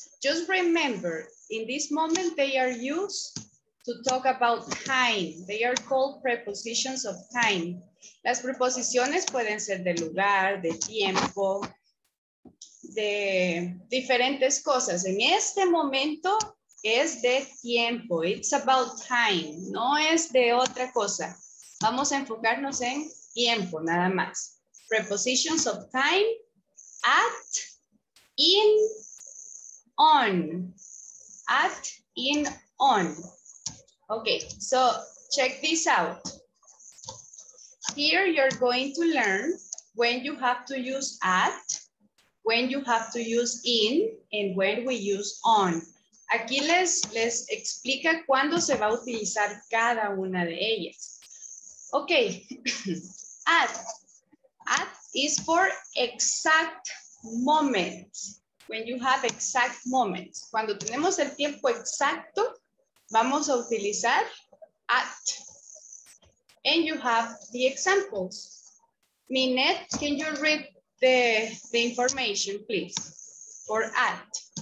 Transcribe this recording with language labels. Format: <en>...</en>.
<en>Just remember, in this moment, they are used to talk about time. They are called prepositions of time.</en> <es>Las preposiciones pueden ser de lugar, de tiempo, de diferentes cosas. En este momento es de tiempo.</es> <en>It's about time.</en> <es>No es de otra cosa. Vamos a enfocarnos en tiempo, nada más.</es> <en>Prepositions of time at, in, on. At, in, on. Okay, so check this out. Here you're going to learn when you have to use at, when you have to use in, and when we use on.</en> <es>Aquí les explica cuándo se va a utilizar cada una de ellas.</es> <en>Okay, at is for exact moments. When you have exact moments.</en> <es>Cuando tenemos el tiempo exacto, vamos a utilizar at.</es> <en>And you have the examples. Minette, can you read the information, please, for at?</en>